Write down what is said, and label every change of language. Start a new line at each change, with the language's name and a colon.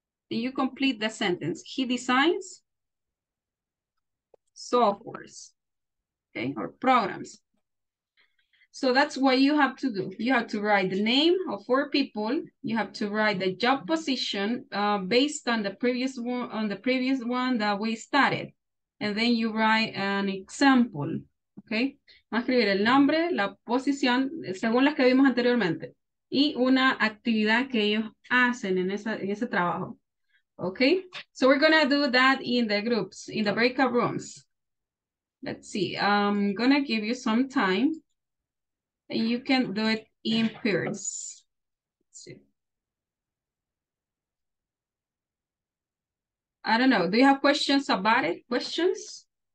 English: You complete the sentence. He designs softwares, okay, or programs. So that's what you have to do. You have to write the name of four people. You have to write the job position based on the previous one, that we started. And then you write an example, okay?
Spanish: Vamos a escribir el nombre, la posición, según las que vimos anteriormente, y una actividad que ellos hacen en ese trabajo.
English: Okay, so we're gonna do that in the groups, in the breakout rooms. Let's see, I'm gonna give you some time and you can do it in pairs. Let's see. I don't know, do you have questions about it? Questions?